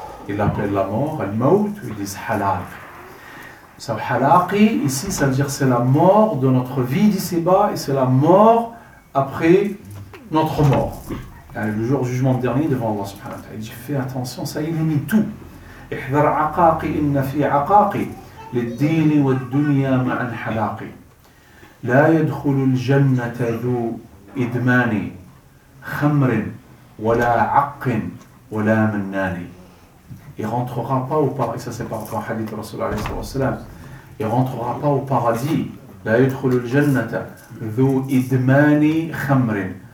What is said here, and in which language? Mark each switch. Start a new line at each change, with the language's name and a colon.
French: Il appelle la mort, elle maut, ils disent halaq. Ça, halaqi, ici, ça veut dire c'est la mort de notre vie d'ici-bas et c'est la mort après notre mort. Le jour du jugement dernier devant Allah subhanahu wa ta'ala. Il dit, fais attention, ça élimine tout.
Arabic: Ihdar aqaqi, inna fi aqaqi. للدين والدنيا مع الحلاق لا يدخل الجنة ذو إدمان خمر ولا عق ولا منان.
French: Il rentrera pas au paradis, ça c'est par rapport au hadith du Rasoul alayhi wa sallam. Il rentrera pas au paradis.
Arabic: لا يدخل الجنة ذو إدمان خمر.